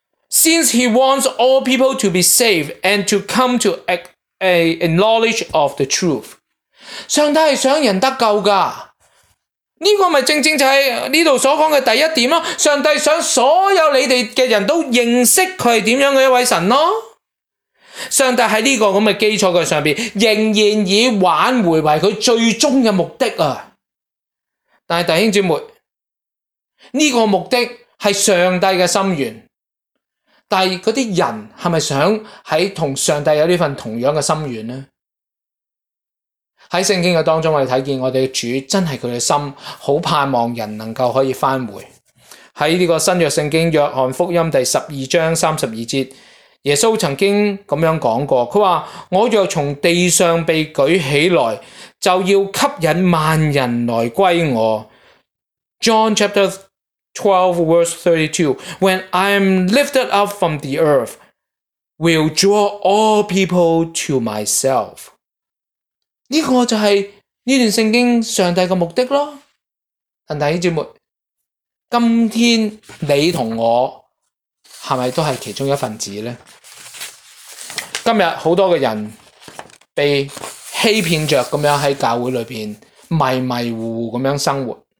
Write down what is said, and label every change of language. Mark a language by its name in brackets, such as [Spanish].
[English] Since he wants all people to be saved and to come to a knowledge of the truth. [Chinese] 上帝是想人得救的。这个不是正正就是这里所讲的第一点，上帝想所有你们的人都认识他是怎样的一位神。上帝在这个基础上面仍然以挽回为他最终的目的。但是弟兄姐妹，这个目的是上帝的心愿。但是那些人是不是想在跟上帝有这份同样的心愿呢？在圣经的当中，我们看见我们的主真是他的心很盼望人能够可以翻回。在这个新约圣经约翰福音第十二章三十二节，耶稣曾经这样讲过，他说，我若从地上被举起来，就要吸引万人来归我。 [English] John chapter 12 verse 32, when I am lifted up from the earth, will draw all people to myself. [Chinese] 这个就是这段圣经上帝的目的咯。但弟兄姊妹，今天你和我是不是都是其中一份子呢？今天很多的人被欺骗着，这样在教会里面迷迷糊糊这样生活。